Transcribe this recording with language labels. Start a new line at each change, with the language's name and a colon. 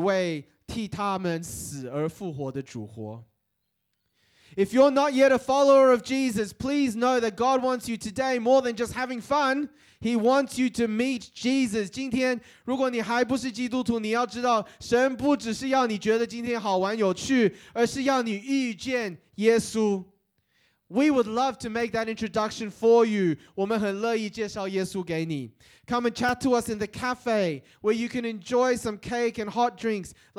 Chinese: 原来基督的爱激励我们，因为我们想一人既替众人死，众人都死了，并且他替众人死，是叫那些活着的人不再为自己而活，乃为替他们死而复活的主活。
English: If you're not yet a follower of Jesus, please know that God wants you today more than just having fun. He wants you to meet Jesus.
Chinese: 今天，如果你还不是基督徒，你要知道，神不只是要你觉得今天好玩有趣，而是要你遇见耶稣。
English: We would love to make that introduction for you.
Chinese: 我们很乐意介绍耶稣给你。
English: Come and chat to us in the cafe where you can enjoy some cake and hot drinks.